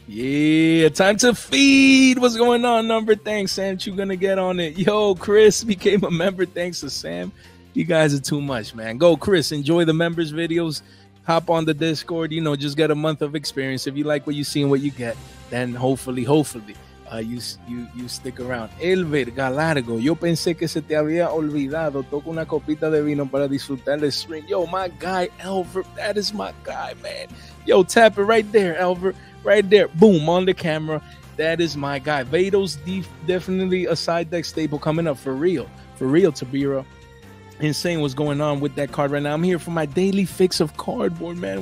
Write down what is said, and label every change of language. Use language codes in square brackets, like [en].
[en] Yeah, time to feed. What's going on, number? Thanks, Sam. You going to get on it. Yo, Chris became a member. Thanks to Sam. You guys are too much, man. Go, Chris. Enjoy the members' videos. hop on the Discord, you know, just get a month of experience. If you like what you see and what you get, then hopefully you stick around. [es] Elver Galargo, yo pensé que se te había olvidado. Toco una copita de vino para disfrutar el stream. [en] Yo, my guy, Elver, that is my guy, man. Yo, tap it right there, Elver, right there. Boom, on the camera. That is my guy. Vado's definitely a side deck staple coming up for real. For real, Tabira. Insane, what's going on with that card right now? I'm here for my daily fix of cardboard, man.